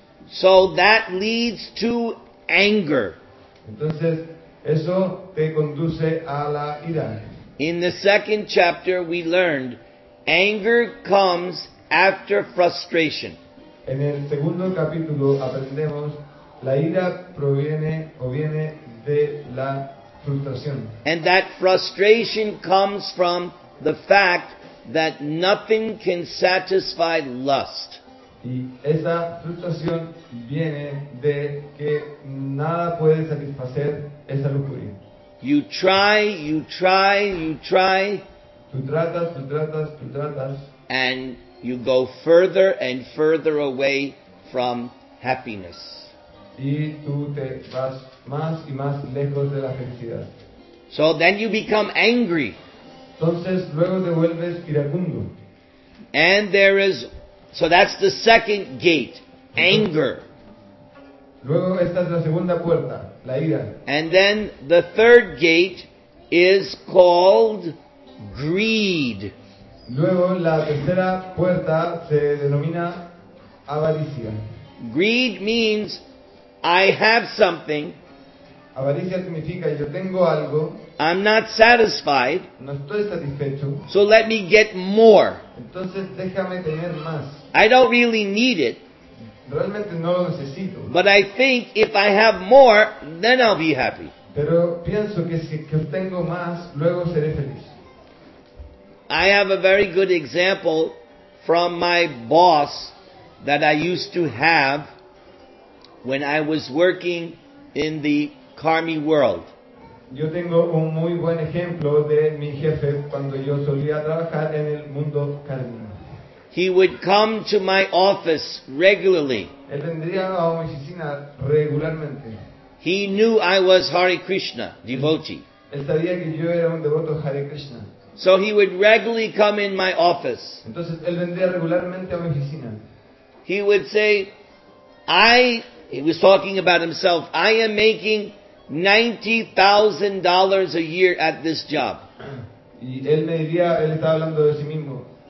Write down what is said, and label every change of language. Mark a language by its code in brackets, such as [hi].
[en] So that leads to anger. [es] Entonces, eso te conduce a la ira. [en] In the second chapter we learned anger comes after frustration. [es] En el segundo capítulo aprendemos La ira proviene o viene de la frustración. [en] And that frustration comes from the fact that nothing can satisfy lust. [es] Y esa frustración viene de que nada puede satisfacer esa lujuria. [en] You try, you try, you try. [es] Tú tratas, tú tratas, tú tratas. [en] And you go further and further away from happiness. [es] Y tú te vas más y más lejos de la felicidad. [en] So then you become angry. [es] Entonces luego te vuelves iracundo. [en] And there is, so that's the second gate, anger. [es] Luego esta es la segunda puerta, la ira. [en] And then the third gate is called greed. [es] Luego la tercera puerta se denomina avaricia. [en] Greed means I have something. [es] Avaricia significa yo tengo algo. [en] I'm not satisfied. [es] No estoy satisfecho. [en] So let me get more. [es] Entonces déjame tener más. [en] I don't really need it. [es] Realmente no lo necesito. [en] But I think if I have more, then I'll be happy. [es] Pero pienso que si que tengo más, luego seré feliz. [en] I have a very good example from my boss that I used to have when I was working in the Carmi world. [es] Yo tengo un muy buen ejemplo de mi jefe cuando yo solía trabajar en el mundo Carmi. [en] He would come to my office regularly. [es] Él vendría a mi oficina regularmente. [en] He knew I was Hare Krishna devotee. [es] Él sabía que yo era un devoto Hare Krishna. [en] So he would regularly come in my office. [es] Entonces él vendría regularmente a mi oficina. [en] He would say, he was talking about himself, I am making $90,000 a year at this job. [es] Y él me diría, él estaba hablando de sí mismo.